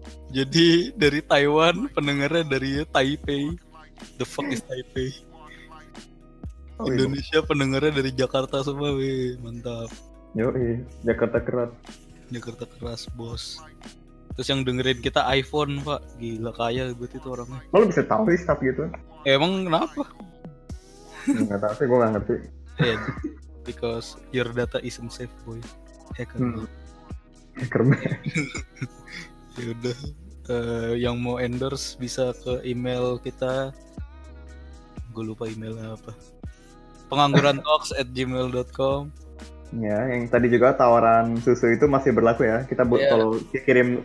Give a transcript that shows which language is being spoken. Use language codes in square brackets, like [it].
[id] Jadi dari Taiwan, pendengarnya dari Taipei. [en] The fuck is Taipei? [id] Oh, Indonesia iya. Pendengarnya dari Jakarta semua, weh. Mantap. Yoi, Jakarta keras. Jakarta keras, bos. Terus yang dengerin kita iPhone, pak. Gila, kaya buat itu orangnya. Kok lo bisa tahu sih, staff gitu? Emang kenapa? Gak tahu sih, gue gak ngerti. [en] Yeah, because your data isn't safe, boy. Hacker. Hacker man. [id] Yaudah, yang mau endorse bisa ke email kita. Gue lupa emailnya apa. Pengangguran talks@gmail.com. Ya, yang tadi juga tawaran susu itu masih berlaku ya. Kita kalau kirim